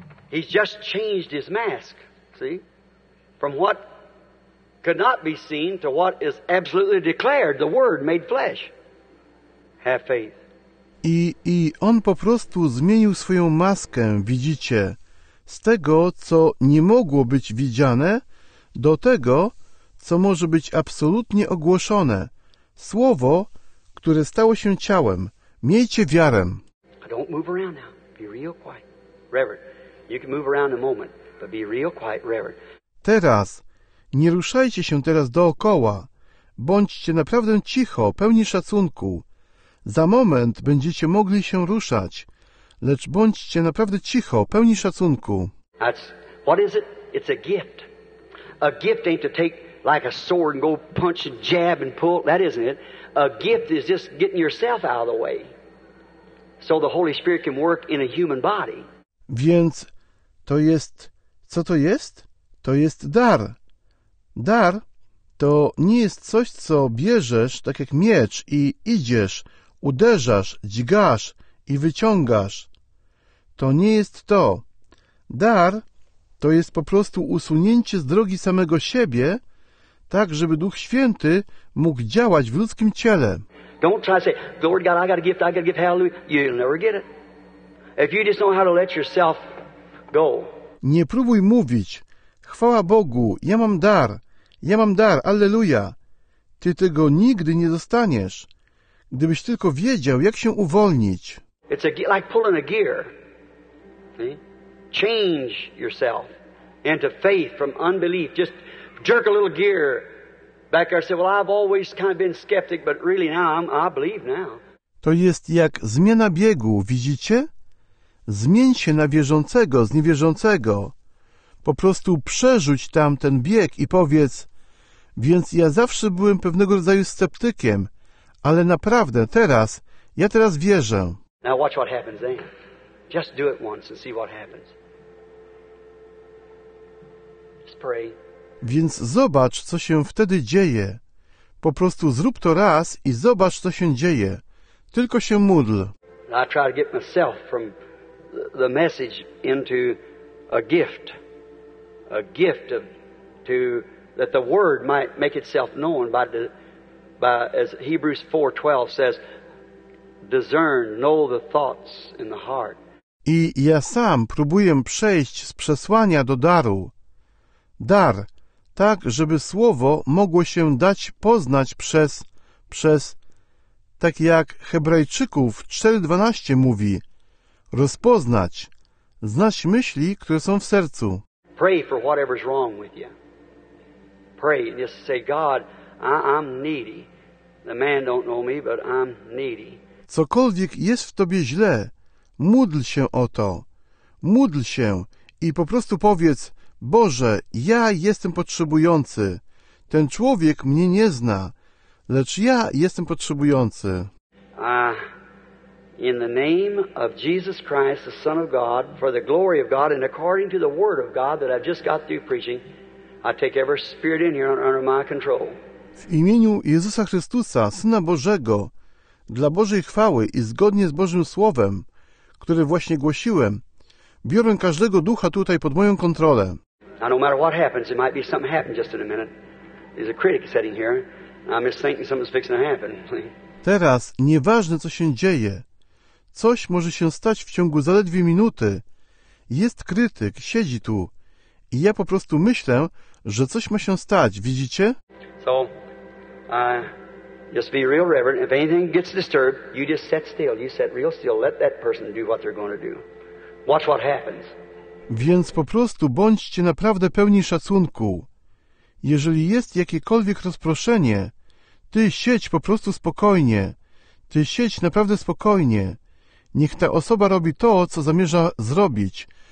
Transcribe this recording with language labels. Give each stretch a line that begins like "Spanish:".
English: He's just changed his mask, see? From what could not be seen to what is absolutely declared, the Word made flesh. Have faith.
Polish: I On po prostu zmienił swoją maskę, widzicie, z tego, co nie mogło być widziane, do tego, co może być absolutnie ogłoszone. Słowo, które stało się ciałem. Miejcie wiarę.
English: I don't move around now. Be real quiet. Reverend, you can move around a moment, but be real quiet, Reverend.
Polish: Teraz. Nie ruszajcie się teraz dookoła. Bądźcie naprawdę cicho, pełni szacunku. Za moment będziecie mogli się ruszać. Lecz bądźcie naprawdę cicho, pełni szacunku.
English: That's, what is it? It's a gift. A gift ain't to take like a sword and go punch and jab and pull. That isn't it. A gift is just getting yourself out of the way so the Holy Spirit can work in a human body.
Polish: Więc to jest... Co to jest? To jest dar. Dar to nie jest coś, co bierzesz tak jak miecz i idziesz, uderzasz, dźgasz i wyciągasz. To nie jest to. Dar to jest po prostu usunięcie z drogi samego siebie, tak żeby Duch Święty mógł działać w ludzkim ciele.
English: Don't try to say, Lord God, I got a gift, I got a gift, hallelujah. You'll never get it. If you just know how to let yourself go.
Polish: Nie próbuj mówić, chwała Bogu, ja mam dar, alleluja. Ty tego nigdy nie dostaniesz, gdybyś tylko wiedział, jak się uwolnić.
English: It's a, like pulling a gear. See? Change yourself into faith from unbelief. Just jerk a little gear back there. Say, well, I've always kind of been skeptic, but really now I believe now.
Polish: To jest jak zmiana biegu, widzicie? Zmień się na wierzącego z niewierzącego. Po prostu przerzuć tam ten bieg i powiedz, więc ja zawsze byłem pewnego rodzaju sceptykiem, ale naprawdę teraz, ja teraz wierzę.
English: Now watch what happens then. Just do it once and see what happens. Just pray.
Polish: Więc zobacz, co się wtedy dzieje. Po prostu zrób to raz i zobacz, co się dzieje. Tylko się módl.
English: I try to get myself from the message into a gift of, to that the word might make itself known by the by as Hebrews 4:12 says, discern, know the thoughts in the heart.
Polish: I ja sam próbuję przejść z przesłania do daru. Dar, tak żeby słowo mogło się dać poznać przez tak jak Hebrajczyków 4:12 mówi. Rozpoznać, znać myśli, które są w sercu.
English: Pray for whatever's wrong with you. Pray and just say, God, I'm needy. The man don't know me, but I'm needy.
Polish: Cokolwiek jest w tobie źle, módl się o to. Módl się i po prostu powiedz, Boże, ja jestem potrzebujący. Ten człowiek mnie nie zna, lecz ja jestem potrzebujący.
English: In the name of Jesus Christ, the Son of God, for the glory of God, and according to the word of God that I've just got through preaching, I take every spirit in here under my control.
Polish: W imieniu Jezusa Chrystusa, Syna Bożego, dla Bożej chwały i zgodnie z Bożym Słowem, które właśnie głosiłem, biorę każdego ducha tutaj pod moją kontrolę.
English: Now, no matter what happens, it might be something happened just in a minute. There's a critic sitting here. I'm just thinking something's fixing to happen.
Polish: Teraz, nieważne co się dzieje, coś może się stać w ciągu zaledwie minuty. Jest krytyk, siedzi tu. I ja po prostu myślę, że coś ma się stać, widzicie?
English: So, just be real reverent. If anything gets disturbed, you just set still. You set real still. Let that person do what they're going to do. Watch what happens.
Polish: Więc po prostu bądźcie naprawdę pełni szacunku. Jeżeli jest jakiekolwiek rozproszenie, ty siedź po prostu spokojnie. Ty siedź naprawdę spokojnie. Niech ta osoba robi to, co zamierza zrobić.